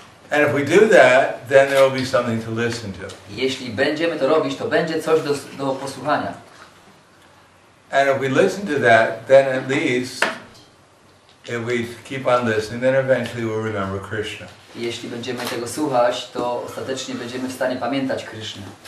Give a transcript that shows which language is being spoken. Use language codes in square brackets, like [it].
[en] And if we do that, then there will be something to listen to. [pl] Jeśli będziemy to robić, to będzie coś do posłuchania. [en] And if we listen to that, then at least if we keep on listening, then eventually we'll remember Krishna. [pl] Jeśli będziemy tego słuchać, to ostatecznie będziemy w stanie pamiętać Krishna.